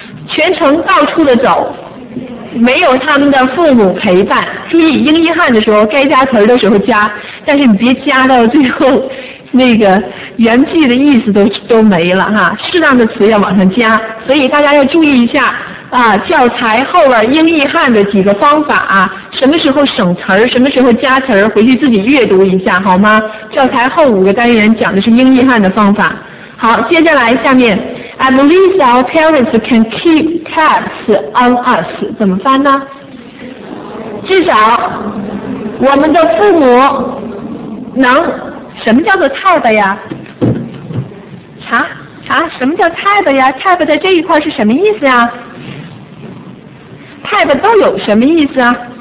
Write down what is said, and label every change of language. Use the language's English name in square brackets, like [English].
[Chinese] 全程到处的走。没有他们的父母陪伴，注意英译汉的时候该加词的时候加，但是你别加到最后那个原句的意思都没了哈，适当的词要往上加，所以大家要注意一下啊，教材后边英译汉的几个方法啊，什么时候省词儿，什么时候加词儿，回去自己阅读一下好吗？教材后五个单元讲的是英译汉的方法。好，接下来下面 [English] I believe our parents can keep tabs on us. [Chinese] 怎么翻呢？至少我们的父母能，什么叫做 tab 呀？查查，什么叫 tab 呀？tab 在这一块是什么意思呀？ tab 都有什么意思啊？